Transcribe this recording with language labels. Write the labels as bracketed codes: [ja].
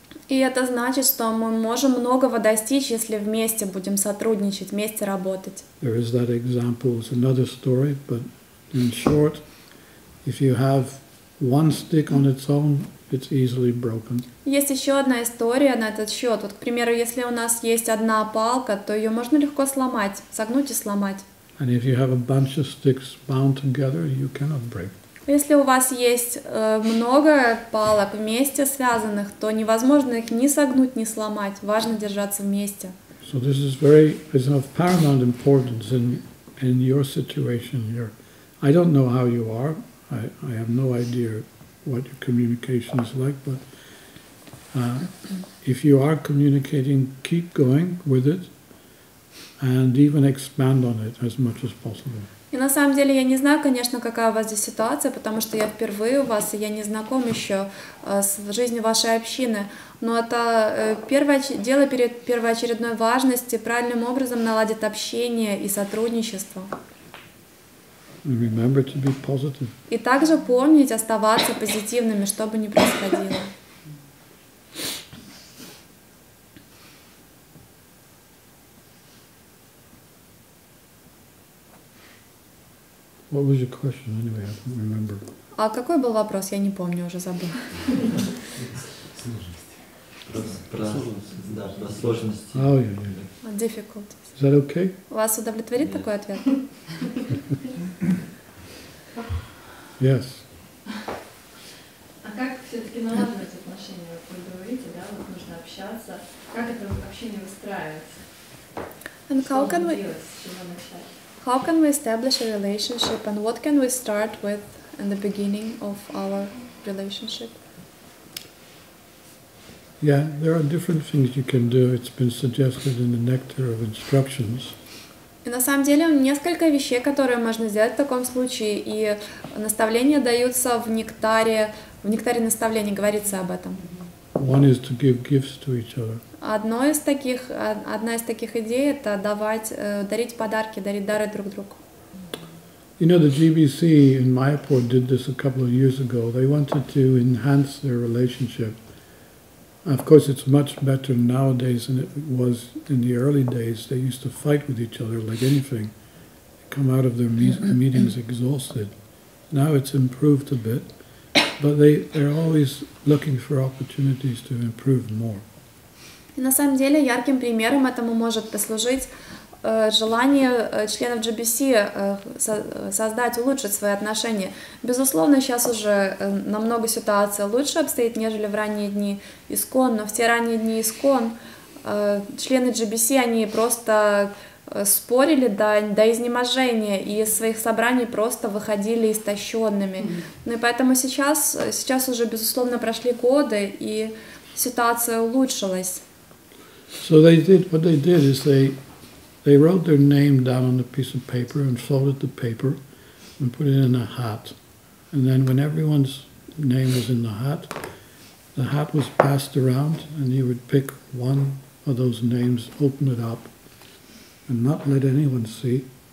[ru] И это значит, что мы можем многого достичь, если вместе будем сотрудничать, вместе работать. [en] There is that example, it's another story, but in short, if you have one stick on its own, it's easily broken. [ru] Есть еще одна история на этот счет. Вот, к примеру, если у нас есть одна палка, то ее можно легко сломать, согнуть и сломать. [en] And if you have a bunch of sticks bound together, you cannot break. [ru] Если у вас есть много палок вместе связанных, то невозможно их ни согнуть, ни сломать. Важно держаться вместе. [en] So this is very, it's of paramount importance in your situation here. I don't know how you are. I have no idea what your communication is like, but if you are communicating, keep going with it and even expand on it as much as possible. [ru] И на самом деле я не знаю, конечно, какая у вас здесь ситуация, потому что я впервые у вас, и я не знаком еще с жизнью вашей общины. Но это первое дело перед первоочередной важности правильным образом наладить общение и сотрудничество. [en] Remember to be positive. [ru] И также помнить оставаться позитивными, что бы ни происходило. [en] What was your question anyway? I don't remember. [ru] А какой был вопрос? Я не помню, уже забыл. Сложности. Да, про сложности. [en] Difficulties. Is that okay? [ru] Вас удовлетворит такой ответ? [en] Yes. [ru] А как все-таки налаживать отношения? Вы говорите, да, вот нужно общаться. Как это общение выстраивается? [en] And how can we? How can we establish a relationship and what can we start with in the beginning of our relationship? Yeah, there are different things you can do. It's been suggested in the Nectar of Instructions. [ru] И на самом деле несколько вещей, которые можно сделать в таком случае, и наставления даются в нектаре наставлений говорится об этом. [en] One is to give gifts to each other. [ru] Одна из таких идей – это дарить подарки, дарить дары друг другу. [en] You know, the GBC in Mayapur did this a couple of years ago. They wanted to enhance their relationship. Of course, it's much better nowadays than it was in the early days. They used to fight with each other like anything. They come out of their meetings exhausted. Now it's improved a bit. But they're always looking for opportunities to improve more. [ru] И на самом деле ярким примером этому может послужить желание членов GBC создать, улучшить свои отношения. Безусловно, сейчас уже намного ситуация лучше обстоит, нежели в ранние дни ИСККОН, но в те ранние дни ИСККОН члены GBC, они просто спорили до изнеможения и из своих собраний просто выходили истощенными. Ну и поэтому сейчас уже, безусловно, прошли годы и ситуация улучшилась. [en] So they did. What they did is they wrote their name down on a piece of paper and folded the paper and put it in a hat. And then when everyone's name was in the hat was passed around and you would pick one of those names, open it up and not let anyone see.